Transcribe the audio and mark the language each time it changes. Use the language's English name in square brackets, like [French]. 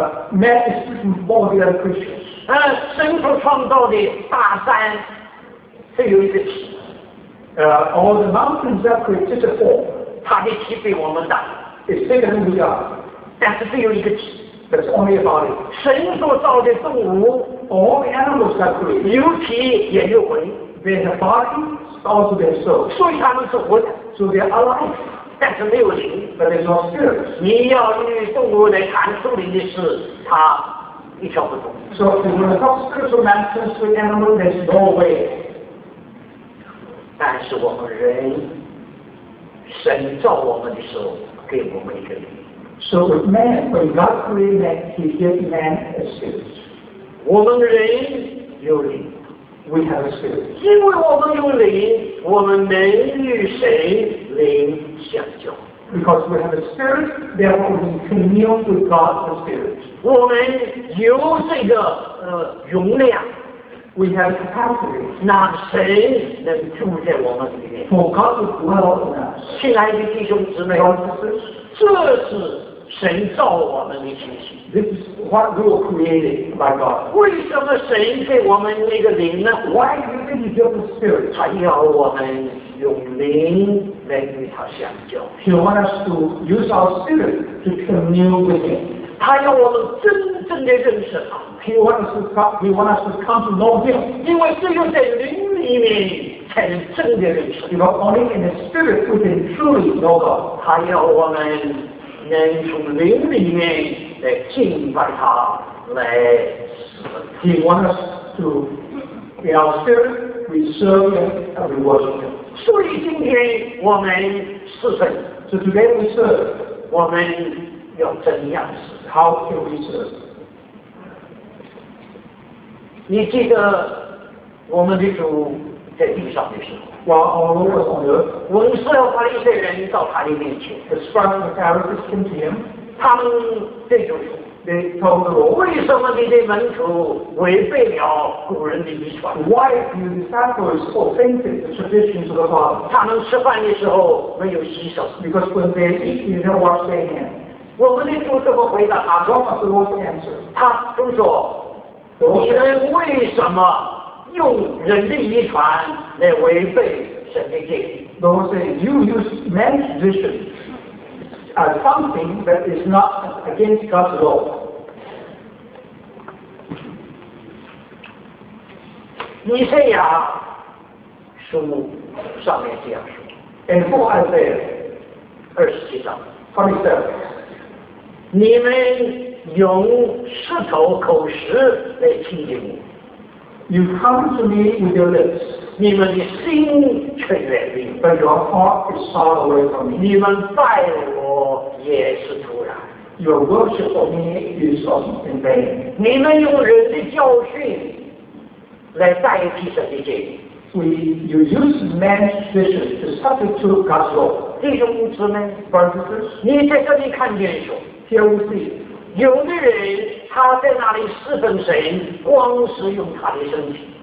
[English] Man is different from all the other creatures. [Chinese] 神所创造的大山是有一个体。 [English] All the mountains are created to fall. [Chinese] 它的体比我们大。 [English] It's bigger than we are. [Chinese] 但是只有一个体。 [English] That's only a body. [Chinese] 神所造的动物 [English] all the animals are created. [Chinese] 有体也有魂。 [English] They have bodies, also their souls. [Chinese] 所以他们是活的。 [English] So they are alive. [Chinese] 但是没有灵 [English] but it's not spirit. [Chinese] 你要与动物来谈出灵的事它一窍不通 [English] So if you want to talk spiritual matters with animals there's no way [Chinese] 但是我们人神造我们的时候给我们一个灵 [English] So with man when God created man he gave man a spirit [Chinese] 我们人有灵 [English] We have a spirit. [Chinese] 因为我们有灵，我们能与神灵相交。 [English] Because we have a spirit, therefore we commune with God the Spirit. [Chinese] 我们有这个容量。 [English] We have capacity. [Chinese] 那神能住在我们里面。 [English] For God to dwell in us. [Chinese] 亲爱的弟兄姊妹，这是神造我们的情形。 [English] This is what we were created by God. [Chinese] 为什么神给我们那个灵呢 [English] ？Why do you think He gave us spirit? [Chinese] 他要我们用灵来与他相交。 [English] He wants us to use our spirit to commune with Him. [Chinese] 他要我们真正的认识他。 [English] He wants us to come to know Him. [Chinese] 因为只有在灵里面才能真的认识。 [English] You are only in the spirit who can truly know God. [Chinese] 他要我们能从灵里面。来敬拜他，来。 [English] He wants us to be our spirit, we serve him and we worship him. [Chinese] 所以今天我们是谁 [English] ？So today we serve. [Chinese] 我们要怎样 [English] ？How can we serve? [Chinese] 你记得我们的主在地上的时候。 [English] While our Lord was on earth, [Chinese] 我们是要把一些人到他的面前。 [English] The scribes and Pharisees came to him. [Chinese] 他们这就说 [English] ，They told the Lord, [Chinese] 为什么你的门徒违背了古人的遗传 [English] ？Why do the disciples offend the traditions of the Father？ [Chinese] 他们吃饭的时候没有洗手 [English] ，Because when they eat, they don't wash their hands。 [Chinese] 我们的主怎么回答他 [English] ？What was the Lord's answer？ [Chinese] 他就说，你们为什么用人的遗传来违背神的诫命 [English] ？The Lord said, "You use man's tradition." Something that is not against God's law. [Chinese] 以赛亚书上面这样说。 [English] And for Isaiah, [Chinese] 27章 [English] 27. [Chinese] 你们用舌头口舌来亲近我。 [English] You come to me with your lips. [Chinese] 你们的心却远离 [English] ，But your heart is far away from me. [Chinese] 你们拜我也是徒然 [English] ，Your worship of me is in vain. [Chinese] 你们用人的教训来代替神的诫命 [English] ，You use man's tradition to substitute God's law. [Chinese] 弟兄姊妹 [English] ，Brothers， [Chinese] 你在这里看见什么 [English] ？Here we see. [Chinese] 有的人他在那里侍奉神，光是用他的身体。